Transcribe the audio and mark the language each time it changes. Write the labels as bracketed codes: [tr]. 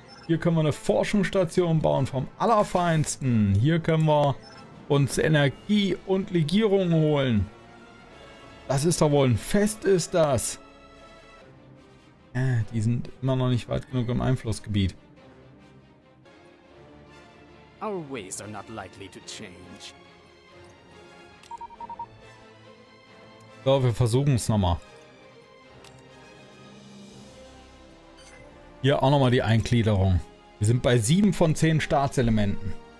[de] Hier können wir eine Forschungsstation bauen vom Allerfeinsten. Hier können wir uns Energie und Legierung holen. Das ist doch wohl ein Fest, ist das. Die sind immer noch nicht weit genug im Einflussgebiet. [en] Our ways are not likely to change. [de] So, wir versuchen es nochmal. Hier auch nochmal die Eingliederung. Wir sind bei 7 von 10 Staatselementen.